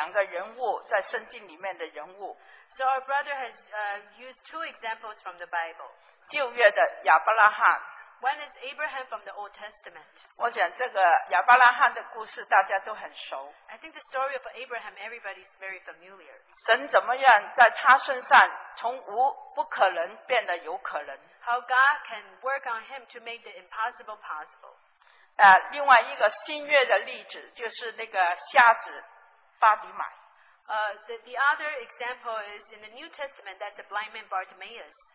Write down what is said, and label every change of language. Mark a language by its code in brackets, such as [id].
[zh] 那弟兄引用了两个人物在圣经里面的人物。 [en] So our brother has used two examples from the Bible. [zh] 旧约的亚伯拉罕。 [en] When is Abraham from the Old Testament? [zh] 我想这个亚伯拉罕的故事大家都很熟。 [en] I think the story of Abraham, everybody's very familiar. [zh] 神怎么样在他身上从无不可能变得有可能。 [en] How God can work on him to make the impossible possible. [zh] 另外一个新约的例子就是那个瞎子巴迪买。 [en] The other example is in the New Testament, that's the blind man Bartimaeus.